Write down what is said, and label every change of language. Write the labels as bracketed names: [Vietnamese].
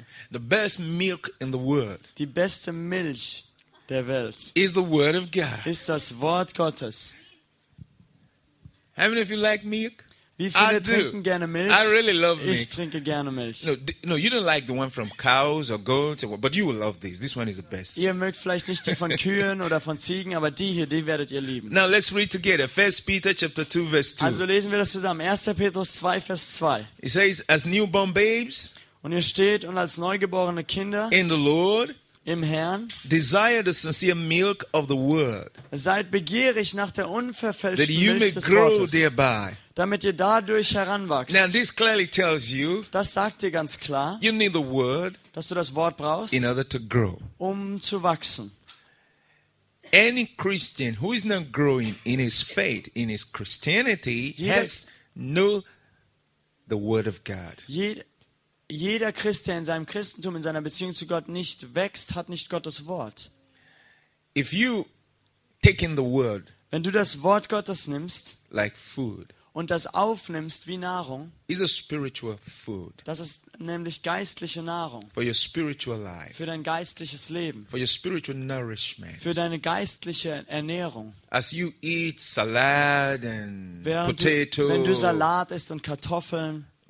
[English] The best milk in the world. [German] Die beste Milch der Welt. [English] Is the Word of God. [German] Ist das Wort Gottes. [English] How many of you like milk? [German] Wie viele trinken gerne Milch? [English] I really love [German] milk. Ich trinke gerne Milch. [English] No, you don't like the one from cows or goats, but you will love this. This one is the best. [German] Ihr mögt vielleicht nicht die von Kühen oder von Ziegen, aber die hier, die werdet ihr lieben. [English] Now let's read together. 1 Peter chapter 2 verse 2. [German] Also lesen wir das zusammen. 1. Petrus 2 Vers 2. [English] It says, as newborn babes, [German] und ihr steht und als neugeborene Kinder [English] in the Lord, [German] im Herrn, [English] desire the sincere milk of the word. [German] Seid begierig nach der unverfälschten Milch des Wortes. [English] That you may grow thereby. [German] Damit ihr dadurch heranwachst. [English] Now this clearly tells you, [German] das sagt dir ganz klar, [English] you need the word, [German] dass du das Wort brauchst, [English] in order to grow. [German] Um zu wachsen. [English] Any Christian who is not growing in his faith, in his Christianity, has no the word of God. [German] Jeder Christ, der in seinem Christentum, in seiner Beziehung zu Gott nicht wächst, hat nicht Gottes Wort. [English] If you take in the word, [German] wenn du das Wort Gottes nimmst, [English] like food, [German] und das aufnimmst wie Nahrung, [English] is a spiritual food. [German] Das ist nämlich geistliche Nahrung [English] for your spiritual life, [German] für dein geistliches Leben, [English] for your spiritual nourishment, [German] für deine geistliche Ernährung. [English] As you eat salad and potato, [German] wenn du Salat isst und Kartoffeln,